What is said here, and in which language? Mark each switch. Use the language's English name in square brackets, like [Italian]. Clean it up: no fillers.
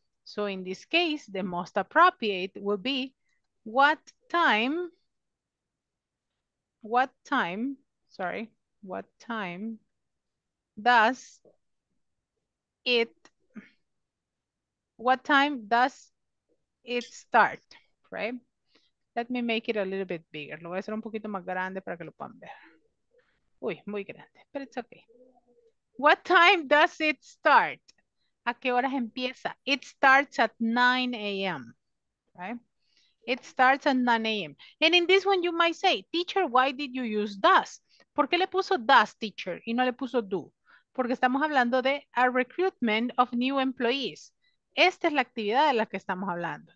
[English] So in this case, the most appropriate will be what time does it, what time does it start, right? Let me make it a little bit bigger. [Spanish] Lo voy a hacer un poquito más grande para que lo puedan ver. Uy, muy grande, [English] but it's okay. What time does it start? [Spanish] ¿A qué horas empieza? [English] It starts at 9 a.m., right? It starts at 9 a.m. And in this one, you might say, teacher, why did you use does? [Spanish] ¿Por qué le puso does, teacher, y no le puso do? Porque estamos hablando de [English] a recruitment of new employees. [Spanish] Esta es la actividad de la que estamos hablando.